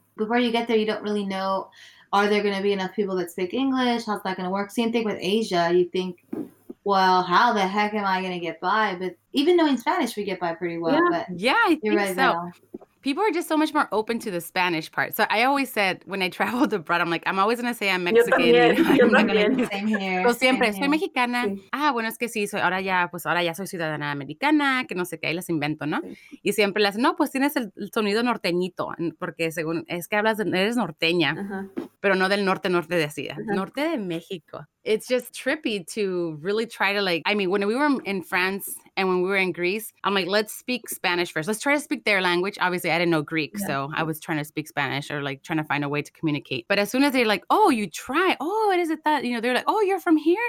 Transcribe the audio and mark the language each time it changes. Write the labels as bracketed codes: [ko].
[en] Before you get there, you don't really know, are there going to be enough people that speak English? How's that going to work? Same thing with Asia. You think, Well, how the heck am I going to get by? But even knowing Spanish, we get by pretty well. Yeah, but yeah, I think right so. Now. People are just so much more open to the Spanish part. So I always said when I traveled abroad, I'm like, I'm always going to say I'm Mexican. [es] Yo también. [en] Same here. [es] Siempre, soy mexicana. Ah, bueno, es que sí, soy, ahora ya, pues ahora ya soy ciudadana americana, que no sé qué, ahí las invento, ¿no? Y siempre las, no, pues tienes el sonido norteñito, porque según, es que hablas, de, eres norteña, pero no del norte, norte de así, norte de México. [en] It's just trippy to really try to like, I mean, when we were in France and when we were in Greece, I'm like, let's speak Spanish first. Let's try to speak their language. Obviously, I didn't know Greek. Yeah. So I was trying to speak Spanish or like trying to find a way to communicate. But as soon as they're like, oh, you try. Oh, what is it that, you know, they're like, oh, you're from here.